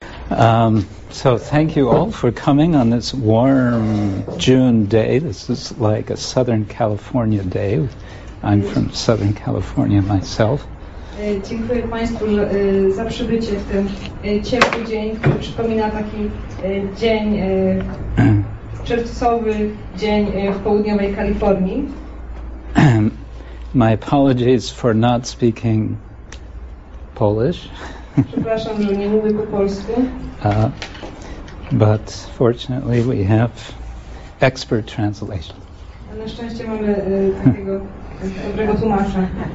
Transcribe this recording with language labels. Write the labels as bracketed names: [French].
[English] So thank you all for coming on this warm June day. This is like a Southern California day. I'm from Southern California myself. [Polish] Dziękuję Państwu za przybycie w ten ciepły dzień, który przypomina taki dzień czerwcowy, dzień w południowej Kalifornii. [English] My apologies for not speaking Polish. [Polish] Przepraszam, że nie mówię po polsku. [English] But fortunately we have expert translation. [Polish] A na szczęście mamy takiego dobrego tłumacza.